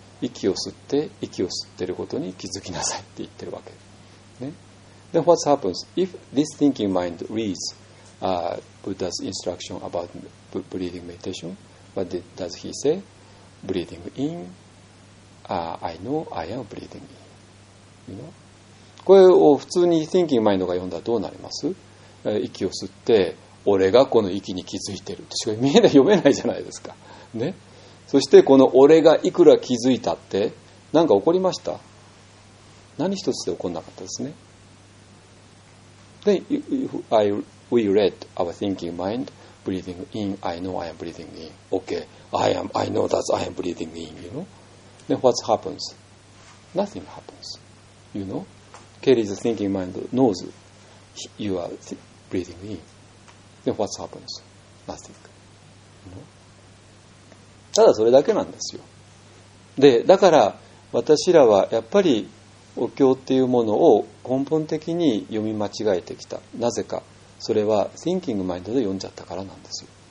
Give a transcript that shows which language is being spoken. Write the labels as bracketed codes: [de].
[ja] 息を吸ってることに気づきなさいって言ってるわけ。 [en] ね、Then what happens if this thinking mind reads Buddha's instruction about breathing meditation? What does he say? Breathing in, I know I am breathing in. You know? [ja] これを普通に thinking mind が読んだらどうなります？息を吸って俺がこの息に気づいてるとしか見えない、読めないじゃないですか、ね、そしてこの俺がいくら気づいたって何か起こりました？何一つで起こんなかったですね。 [en] Then we read our thinking mind breathing in. I know I am breathing in. Okay, I know that I am breathing in. You know. Then what happens? Nothing happens. You know. Kelly, the thinking mind knows you are breathing in. Then what happens? Nothing. You know. [ja] ただそれだけなんですよ。で、だから私らはやっぱりお経っていうものを根本的に読み間違えてきた。なぜか、それは thinking mind で読んじゃったからなんですよ。